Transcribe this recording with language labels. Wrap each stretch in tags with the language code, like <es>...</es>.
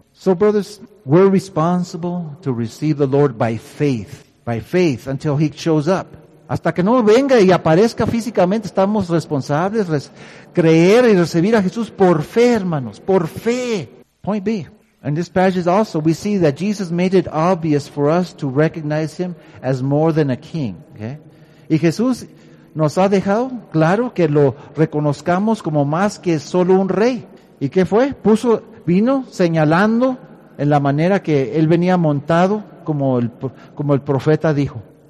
<en>So brothers, we're responsible to receive the Lord by faith until he shows up.</en> <es>Hasta que no venga y aparezca físicamente, estamos responsables de creer y recibir a Jesús por fe, hermanos, por fe.</es> <en>Point B. In this passage also, we see that Jesus made it obvious for us to recognize him as more than a king. Okay?</en> <es>Y Jesús nos ha dejado claro que lo reconozcamos como más que solo un rey. ¿Y qué fue? Vino señalando en la manera que él venía montado, como el profeta dijo.</es>